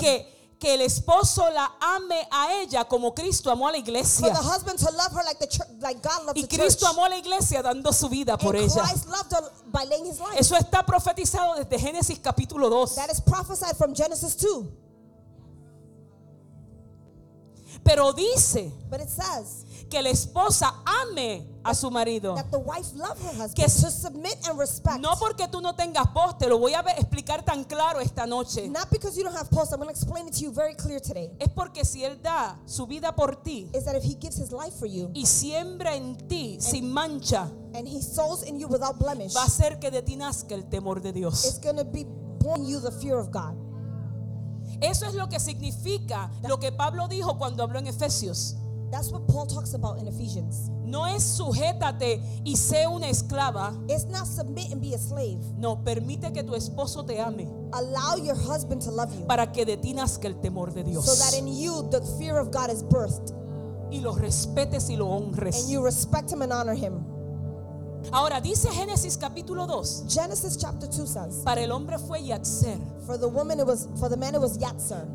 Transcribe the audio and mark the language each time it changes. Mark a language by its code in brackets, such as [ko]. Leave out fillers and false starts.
[es] que el esposo la ame a ella como Cristo amó a la iglesia. [en] For the husband to love her like the church, like God loved the church. [es] Y Cristo amó a la iglesia dando su vida por ella. [en] Christ loved her by laying his life. [es] Eso está profetizado desde Génesis capítulo 2. [en] That is prophesied from Genesis 2. [es] Pero dice, [en] but it says, [es] que la esposa ame a su marido. [en] That the wife love her husband. [es] Que [en] to submit and respect. [es] No porque tú no tengas post, te lo voy a explicar tan claro esta noche. [en] Not because you don't have post, I'm going to explain it to you very clear today. [es] Es porque si él da su vida por ti. [en] Is that if he gives his life for you. [es] Y siembra en ti sin mancha. [en] And he sows in you without blemish. [es] Va a hacer que de ti nazca el temor de Dios. [en] It's going to be born in you the fear of God. [es] Eso es lo que significa lo que Pablo dijo cuando habló en Efesios. [en] That's what Paul talks about in Ephesians. [es] No es sujétate y sé una esclava. [en] It's not submit and be a slave. [es] No, permite que tu esposo te ame. [en] Allow your husband to love you. [es] Para que de ti nazca el temor de Dios. [en] So that in you the fear of God is birthed. [es] Y lo respetes y lo honres. [en] And you respect him and honor him. [es] Ahora dice Génesis capítulo 2. [en] Genesis chapter 2 says. [es] Para el hombre fue Yatzer. [en] For the woman it was for the man it was Yatzer.